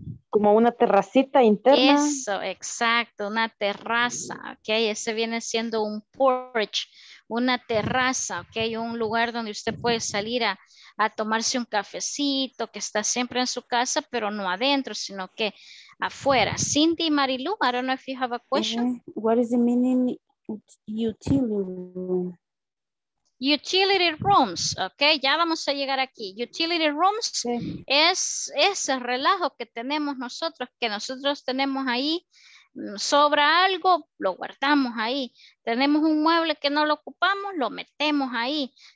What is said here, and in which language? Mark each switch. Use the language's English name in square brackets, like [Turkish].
[Spanish] Como una terracita interna. Eso, exacto, una terraza, ok, ese viene siendo un porch, una terraza, ok, un lugar donde usted puede salir a tomarse un cafecito, que está siempre en su casa, pero no adentro, sino que afuera. [English] Cindy, Marilu, I don't know if you have a question. What is the meaning utility room? [Spanish] Utility rooms, ok, ya vamos a llegar aquí. Utility rooms, sí. Es ese relajo que tenemos nosotros, que nosotros tenemos ahí, sobra algo, lo guardamos ahí. Tenemos un mueble que no lo ocupamos, lo metemos ahí.